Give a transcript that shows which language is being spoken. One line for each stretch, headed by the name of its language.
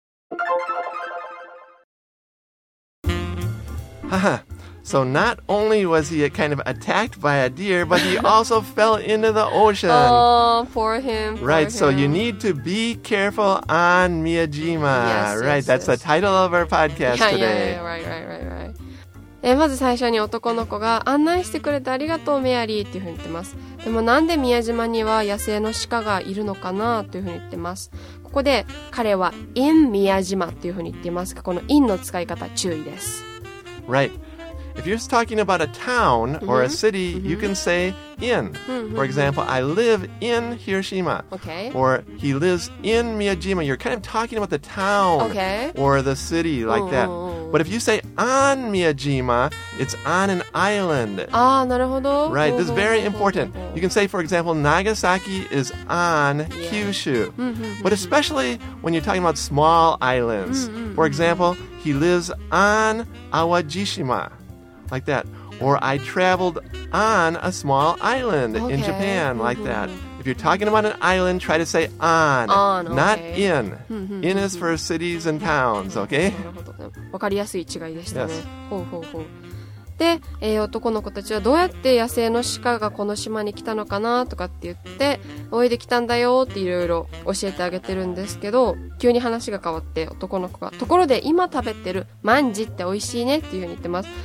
English: Ha ha. So not only was he kind of attacked by a deer, but he also fell into the ocean. Oh, poor him. Poor right, him. So you need to be careful on Miyajima. Yes, right, yes, that's yes. the title of our podcast yeah, today. Yeah, right.
Japanese: まず最初に男の子が案内してくれてありがとう、メアリーっていうふうに言ってます。でもなんで宮島には野生の鹿がいるのかなというふうに言ってます。ここで彼は in 宮島っていうふうに言ってますが、この in の使い方注意です。
English: Right. If you're talking about a town mm-hmm. or a city, mm-hmm. you can say in. Mm-hmm. For example, I live in Hiroshima. Okay. Or he lives in Miyajima. You're kind of talking about the town okay. or the city like Ooh. That. But if you say on Miyajima, it's on an island.
Japanese: Ah, なるほど。
English: Right, this is very important. You can say, for example, Nagasaki is on Kyushu. But especially when you're talking about small islands. For example, he lives on Awajishima. Like that. Or I traveled on a small island in Japan. Like that. If you're talking about an island, try to say on, not in. In is for cities and towns, okay?
Japanese: わかりやすい違いでしたね。ほうほうほう。で、男の子たちはどうやって野生の鹿がこの島に来たのかなとかって言って、泳いできたんだよっていろいろ教えてあげてるんですけど、急に話が変わって男の子が、ところで今食べてるまんじって美味しいねっていうふうに言ってます。